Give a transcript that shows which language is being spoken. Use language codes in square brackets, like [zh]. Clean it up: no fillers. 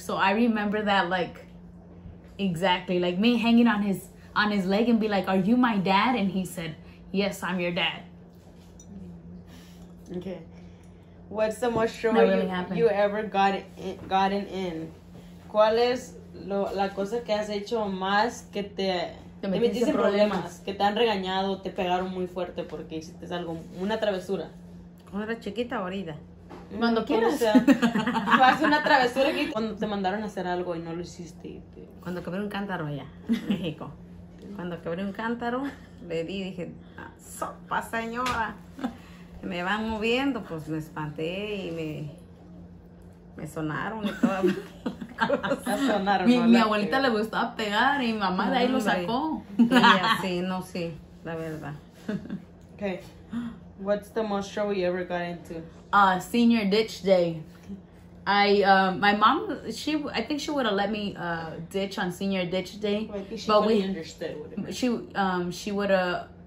[en] So I remember that like exactly, like me hanging on his leg and be like, are you my dad? And he said, yes, I'm your dad. Okay, what's the most trouble you ever gotten in? [es] ¿Cuál es la cosa que has hecho más que te metiste en problemas? Que te han regañado, te pegaron muy fuerte porque hiciste algo, una travesura. Cuando eras chiquita, ahorita. Cuando quieras. O sea, haces una travesura que cuando te mandaron a hacer algo y no lo hiciste. Cuando quebré un cántaro allá, México. Cuando quebré un cántaro, le dije, ¡sopa, señora! Me van moviendo, pues me espanté y me sonaron y todo. Mi, no, mi abuelita que... le gustaba pegar y mi mamá de ahí lo sacó. Sí, no, sí, la verdad. [en] Okay, what's the most trouble you ever got into? Senior ditch day. My mom, I think she would have let me ditch on senior ditch day. Well, I think she fully understood what it meant.